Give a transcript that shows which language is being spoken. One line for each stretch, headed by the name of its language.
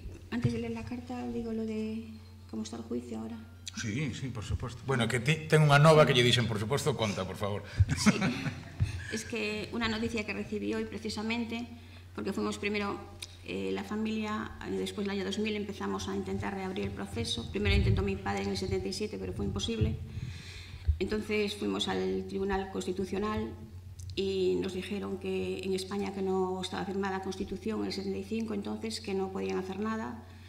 Spanish: Antes de ler la carta, digo lo de como está o juicio ahora. Sí, sí, por supuesto.
Galician: Bueno, que ten unha nova que lle dixen, por supuesto, conta, por favor.
Spanish: Sí, es que unha noticia que recibí hoy precisamente, porque fuimos primero la familia, después del año 2000 empezamos a intentar reabrir el proceso. Primero intentó mi padre en el 77, pero fue imposible. Entonces fuimos al Tribunal Constitucional y nos dijeron que en España que no estaba firmada la Constitución en el 75, entonces que no podían hacer nada.